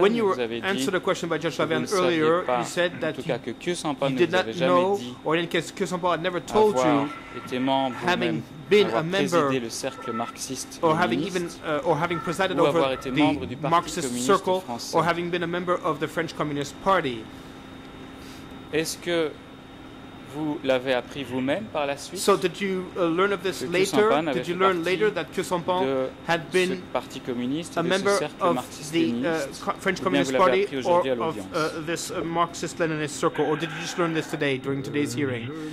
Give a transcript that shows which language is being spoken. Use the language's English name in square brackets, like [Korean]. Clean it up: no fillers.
[English] when you answered a question by Judge Laverne earlier, you said that you did not know, or in any case, Khieu Samphan had never told you, having been a member, or having presided over the Marxist circle, or having been a member of the French Communist Party. [French] Est-ce que vous l'avez appris vous-même par la suite? [English] So did you learn of this later? Did you learn later that Khieu Samphan had been a member of the French Communist Party or of this Marxist-Leninist circle? Or did you just learn this today, during today's hearing?